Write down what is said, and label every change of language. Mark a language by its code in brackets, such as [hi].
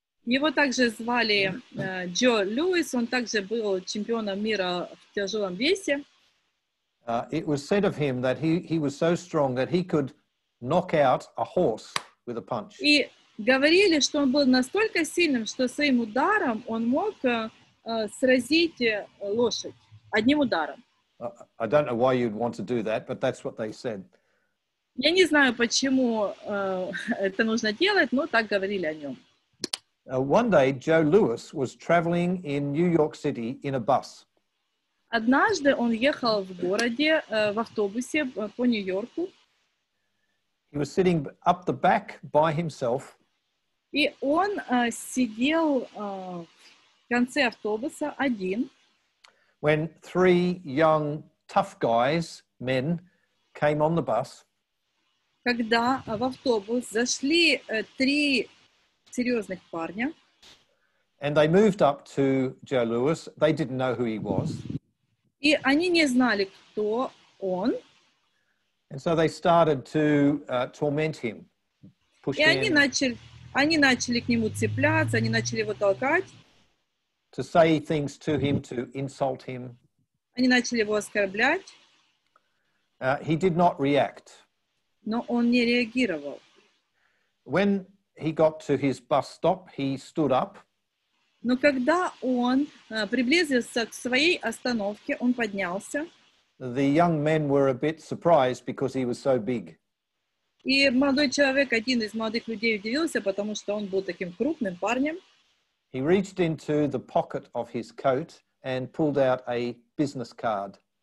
[ru] Его также звали Джо Льюис. Он также был чемпионом мира в тяжелом весе. [en] It was said of him that he was so strong that he could knock out a horse with a punch. [ru] И говорили, что он был настолько сильным, что своим ударом он мог сразить лошадь одним ударом. [en] I don't know why you'd want to do that, but that's what they said. [ru] Я не знаю, почему это нужно делать, но так говорили о нем. [en] One day Joe Louis was traveling in New York City in a bus. [ru] Однажды он ехал в городе в автобусе по Нью-Йорку. [en] He was sitting up the back by himself. [ru] И он сидел в конце автобуса один. [en] When three young tough guys, men, came on the bus. [ru] Когда в автобус зашли три серьезных парня. [en] And they moved up to Joe Louis. They didn't know who he was. [ru] И они не знали, кто он. [en] And so they started to torment him. [ru] И они начали к нему цепляться, они начали его толкать. [en] To say things to him, to insult him. [ru] Они начали его оскорблять. [en] He did not react. [ru] Но он не реагировал. [en] When he got to his bus stop, he stood up. [ru] Но когда он приблизился к своей остановке, он поднялся. [en] The young men were a bit surprised because he was so big. [ru] И молодой человек, один из молодых людей, удивился, потому что он был таким крупным парнем. [en] He reached into the pocket of his coat and pulled out a business card.